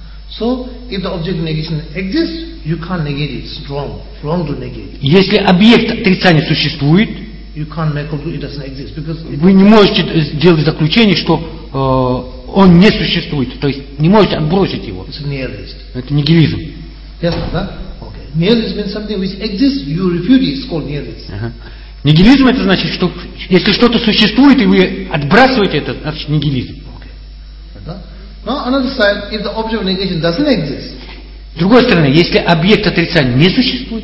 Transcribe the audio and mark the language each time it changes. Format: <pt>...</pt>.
<en>So, if the object of negation exists, you can't negate it. It's wrong. Wrong to negate.</en> <ru>Если объект отрицания существует,</ru> <en>you can't make it, it doesn't exist, because</en> <ru>вы не можете сделать заключение, что он не существует. То есть не можете отбросить его.</ru> <en>It's a nihilist.</en> <ru>Это нигилизм.</ru> <en>Yes, sir. Okay. Nihilism means something which exists, you refute it. It's called nihilism.</en> <ru>Нигилизм это значит, что если что-то существует и вы отбрасываете это, значит нигилизм.</ru> <en>Okay. Now another side, if the object of negation doesn't exist.</en> <ru>С другой стороны, если объект отрицания не существует,</ru>